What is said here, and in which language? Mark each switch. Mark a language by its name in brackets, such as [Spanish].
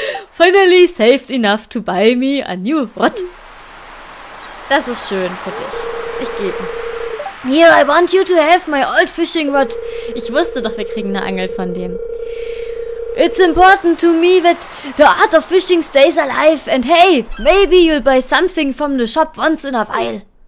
[English] Finally saved enough to buy me a new rod. [German] Das ist schön für dich. Ich gebe. [English] Here, I want you to have my old fishing rod. [German] Ich wusste doch, wir kriegen eine Angel von dem. [English] It's important to me that the art of fishing stays alive. And hey, maybe you'll buy something from the shop once in a while.